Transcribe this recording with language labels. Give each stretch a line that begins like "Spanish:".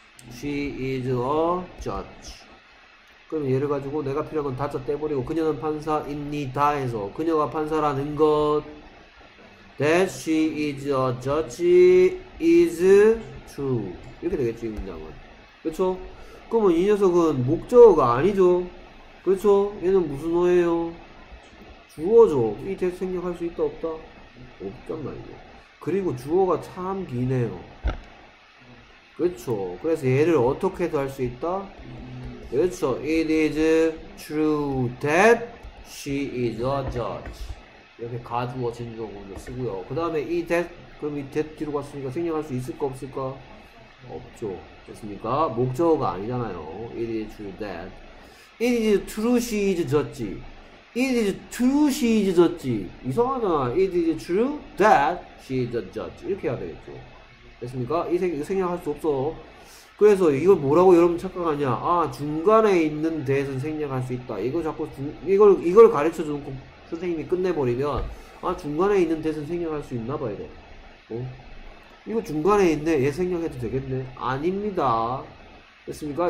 English: She is a judge.
Korean: 그럼 예를 가지고 내가 필요한 건 다짜 떼버리고 그녀는 판사입니다 해서 그녀가 판사라는 것
English: that she is a judge is true.
Korean: 이렇게 되겠죠, 이 문장은. 그쵸? 그러면 이 녀석은 목적어가 아니죠? 그렇죠. 얘는 무슨 어예요? 주어죠. 이 대체 생략할 수 있다 없다? 없단 말이에요. 그리고 주어가 참 기네요. 그렇죠. 그래서 얘를 어떻게도 할수 있다? 그렇죠.
English: It is true that she is a judge.
Korean: 이렇게 가두어 진정으로 쓰고요. 그 다음에 이 that, 그럼 이 that 뒤로 갔으니까 생략할 수 있을까 없을까? 없죠. 됐습니까? 목적어가 아니잖아요.
English: It is true that. It is true she is judge. It is true she is judge.
Korean: 이상하잖아.
English: It is true that she is a judge.
Korean: 이렇게 해야 되겠죠. 됐습니까? 이 생략할 수 없어. 그래서 이걸 뭐라고 여러분 착각하냐? 아, 중간에 있는 데에선 생략할 수 있다. 이거 자꾸 이걸 가르쳐 주는 선생님이 끝내버리면, 아, 중간에 있는 데에선 생략할 수 있나 봐, 이거. 이거 중간에 있네. 얘 생략해도 되겠네. 아닙니다. 됐습니까?